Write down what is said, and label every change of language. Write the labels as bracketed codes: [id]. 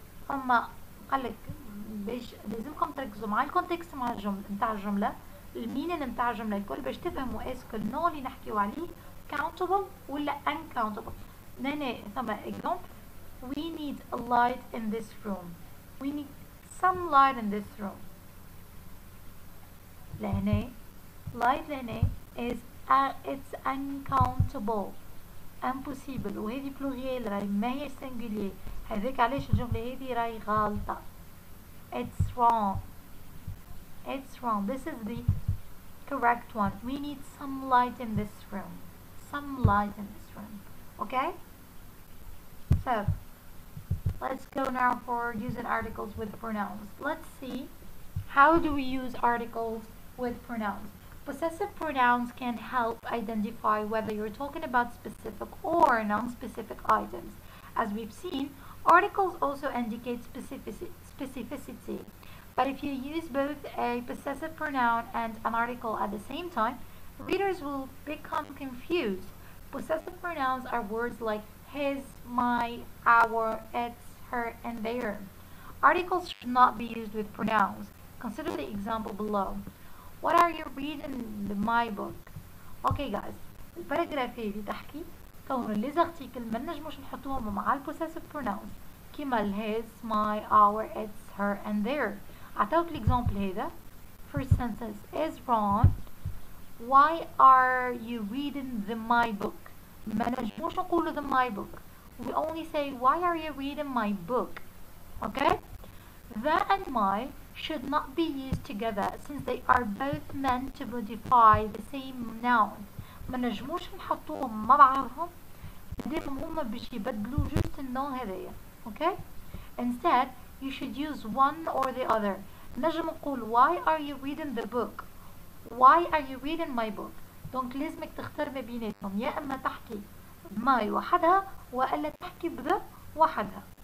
[ar] أما قالك باش لازمكم تركزوا مع الكونتكست مع الجملة نتاع الجملة، المينين نتاع الجملة الكل باش تفهموا اسكو النو اللي نحكيو عليه countable ولا uncountable. هنا ثم [en] example we need a light in this room. We need some light in this room. [ar] لهني. لايف لهني [en] is it's uncountable, impossible. [ar] وهذه بلوريال راهي ماهيش سنجولير. هذيك علاش الجمله هذه راهي غلطه. [en] It's wrong. It's wrong. This is the correct one. We need some light in this room. Some light in this room. Okay? So, let's go now for using articles with pronouns. Let's see how do we use articles with pronouns. Possessive pronouns can help identify whether you're talking about specific or non-specific items. As we've seen, articles also indicate specificity. But if you use both a possessive pronoun and an article at the same time, readers will become confused. Possessive pronouns are words like his, my, our, its, her, and their. Articles should not be used with pronouns. Consider the example below. What are you reading in my book? [ar] Okay guys, الباراجراف اللي تحكي كون لي زارتيكل ما نجموش نحطوهم مع البوسيسيف بروناونز كيما [en] his, my, our, its, her, and their. [ar] عطاوك ليكزامبل هذا. [en] First sentence is wrong. Why are you reading the my book? [ar] ما نجموش نقولو [en] the my book. We only say why are you reading my book? Okay? The and my should not be used together since they are both meant to modify the same noun. [ar] ما نجموش نحطوهم مع بعضهم بعدين هما باش يبدلوا جوست النون هذايا. [en] Okay? Instead, you should use one or the other. [ar] نجم نقول [en] why are you reading the book? Why are you reading my book? [ar] دونك لازمك تختار ما بيناتهم، يا اما تحكي my وحدها والا تحكي ب the وحدها.